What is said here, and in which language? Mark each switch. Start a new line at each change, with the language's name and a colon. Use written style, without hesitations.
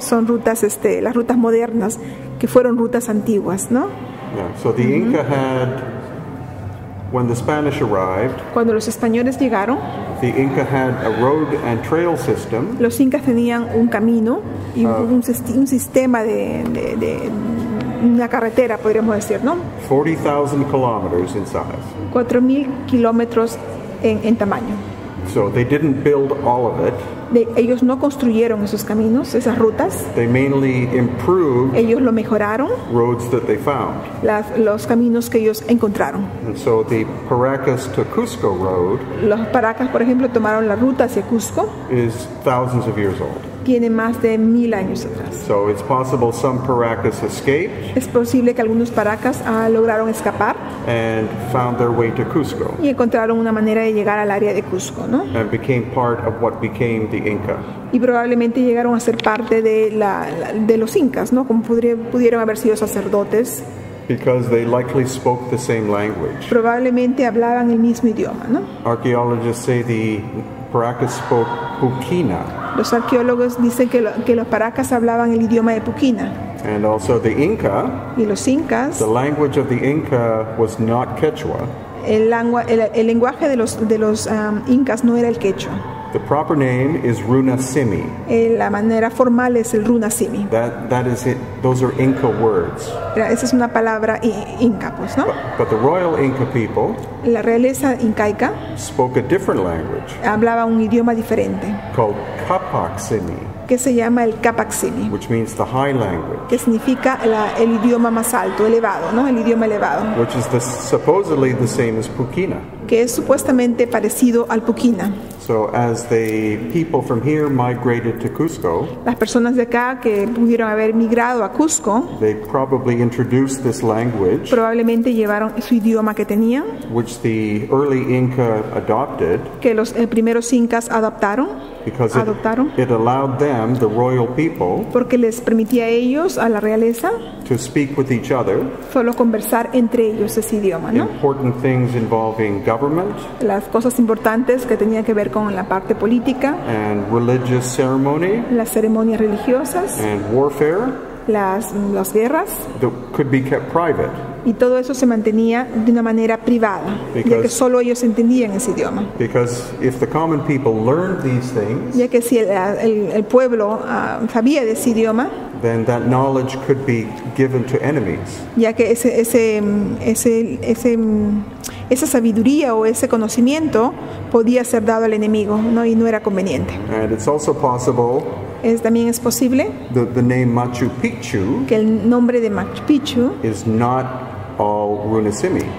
Spanish: Son rutas, las rutas modernas que fueron rutas antiguas, ¿no?
English: Yeah. So the Inca had, when the Spanish arrived,
Spanish: cuando los españoles llegaron,
English: the Inca had a road and trail system.
Spanish: Los Incas tenían un camino y un sistema de una carretera, podríamos decir, ¿no?
English: 40,000 kilometers in size.
Spanish: 4,000 kilómetros en tamaño.
English: So they didn't build all of it.
Spanish: Ellos no construyeron esos caminos, esas rutas.
English: They mainly improved.
Spanish: Ellos lo mejoraron.
English: Roads that they found.
Spanish: Los caminos que ellos encontraron.
English: And so the Paracas to Cusco road.
Spanish: Los Paracas, por ejemplo, tomaron la ruta hacia Cusco.
English: Is thousands of years old.
Spanish: Tiene más de 1,000 años atrás.
English: So it's possible some Paracas escaped.
Spanish: Es posible que algunos Paracas lograron escapar.
English: And found their way to Cusco.
Spanish: Y encontraron una manera de llegar al área de Cusco, ¿no?
English: And became part of what became the Inca.
Spanish: Y probablemente llegaron a ser parte de de los Incas, ¿no? Como pudieron haber sido sacerdotes.
English: Because they likely spoke the same language.
Spanish: Probablemente hablaban el mismo idioma, ¿no?
English: Archaeologists say the Paracas spoke Puquina.
Spanish: Los arqueólogos dicen que los Paracas hablaban el idioma de Puquina.
English: And also the Inca.
Spanish: Y los Incas.
English: The language of the Inca was not Quechua.
Spanish: El lenguaje de los Incas no era el Quechua.
English: The proper name is Runasimi.
Spanish: La manera formal es el Runasimi.
English: That is it. Those are Inca words.
Spanish: Esa es una palabra Inca, pues, ¿no?
English: But the royal Inca people,
Spanish: la realeza incaica,
English: spoke a different language.
Spanish: Hablaba un idioma diferente.
English: Called Capac Simi.
Spanish: Que se llama el Capac Simi.
English: Which means the high language.
Spanish: Que significa el idioma más alto, elevado, ¿no? El idioma elevado.
English: Which is supposedly the same as Pukina.
Spanish: Que es supuestamente parecido al Pukina.
English: So as the people from here migrated to Cusco,
Spanish: las personas de acá que pudieron haber migrado a Cusco,
English: they probably introduced this language,
Spanish: probablemente llevaron su idioma que tenían,
English: which the early Inca adopted,
Spanish: que los primeros incas adoptaron,
English: because
Spanish: adoptaron,
English: it allowed them, the royal people,
Spanish: porque les permitía a ellos, a la realeza,
English: to speak with each other,
Spanish: solo conversar entre ellos ese idioma, ¿no?
English: Important things involving government,
Spanish: las cosas importantes que tenían que ver con la parte política,
English: and religious ceremony,
Spanish: las ceremonias religiosas,
English: and warfare,
Spanish: las guerras,
English: that could be kept private.
Spanish: Y todo eso se mantenía de una manera privada,
English: because,
Spanish: ya que solo ellos entendían ese idioma.
English: Because if the common people learned these things,
Spanish: ya que si el pueblo sabía de ese idioma,
English: then that knowledge could be given to enemies.
Spanish: Ya que esa sabiduría o ese conocimiento podía ser dado al enemigo, ¿no? Y no era conveniente.
English: And it's also possible,
Spanish: también es posible,
English: the name Machu Picchu,
Spanish: que el nombre de Machu Picchu
English: is not all Runasimi.